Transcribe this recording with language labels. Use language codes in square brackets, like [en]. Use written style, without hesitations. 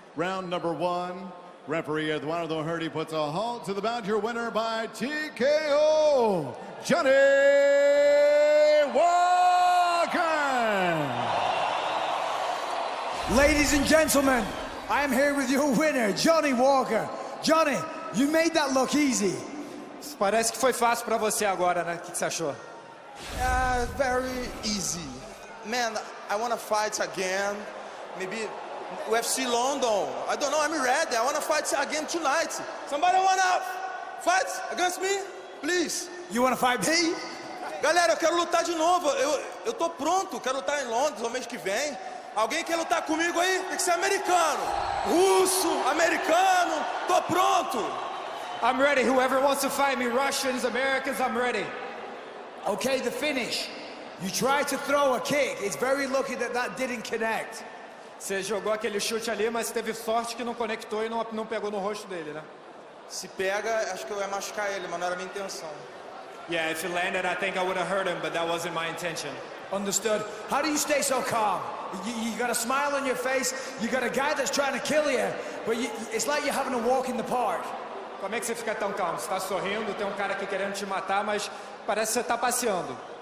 [en] Round number one. Referee Eduardo Hurdy puts a halt to the bout. Your winner by TKO, Johnny Walker. Ladies and gentlemen, I am here with your winner, Johnny Walker. Johnny, you made that look easy. [pt] Parece que foi fácil para você agora, né? O que você achou? [en] Very easy. Man, I want to fight again. Maybe UFC London. I don't know. I'm ready. I want to fight again tonight. Somebody want to fight against me? Please. You want to fight me? [pt] Galera, eu quero lutar de novo. Eu tô pronto. Quero lutar em Londres no mês que vem. Alguém quer lutar comigo aí? Tem que ser americano. Russo, americano. Tô pronto. [en] I'm ready. Whoever wants to fight me, Russians, Americans, I'm ready. Okay, the finish. You try to throw a kick. It's very lucky that that didn't connect. [pt] Você jogou aquele chute ali, mas teve sorte que não conectou e não pegou no rosto dele, né? Se pega, acho que eu ia machucar ele, mas não era minha intenção. [en] Yeah, if it landed, I think I would have hurt him, but that wasn't my intention. Understood. How do you stay so calm? You got a smile on your face, you got a guy that's trying to kill you, but it's like you're having a walk in the park. [pt] Como é que você fica tão calmo? Você tá sorrindo, tem um cara aqui querendo te matar, mas parece que você tá passeando.